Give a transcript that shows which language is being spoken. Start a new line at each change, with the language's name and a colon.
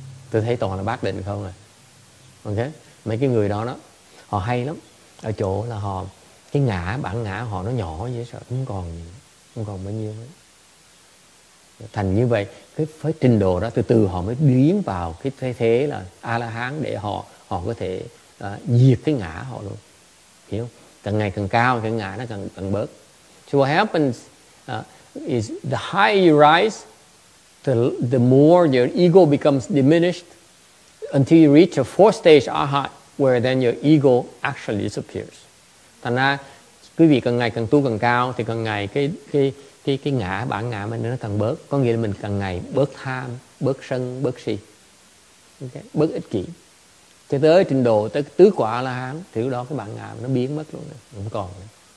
Vietnamese: Tôi thấy toàn là bác định không à. Ok, mấy cái người đó họ hay lắm ở chỗ là họ cái ngã, bản ngã họ nó nhỏ dễ sợ, không còn bao nhiêu nữa. Thành như vậy, cái với trình độ đó từ từ họ mới biến vào cái thế là A-la-hán để họ có thể diệt cái ngã họ luôn. Hiểu không? Càng ngày càng cao, cái ngã nó càng bớt.
English: So what happens is the higher you rise, the more your ego becomes diminished until you reach a fourth stage arhat where then your ego actually disappears.
Vietnamese: Thành ra, quý vị càng ngày càng tu càng cao thì càng ngày cái ngã, bản ngã mình nó càng bớt. Có nghĩa là mình càng ngày bớt tham, bớt sân, bớt si. Okay? Bớt ích kỷ. Cho tới trình độ, tới tứ quả là hán, thì lúc đó cái bản ngã nó biến mất luôn. Rồi. Không còn. Nữa.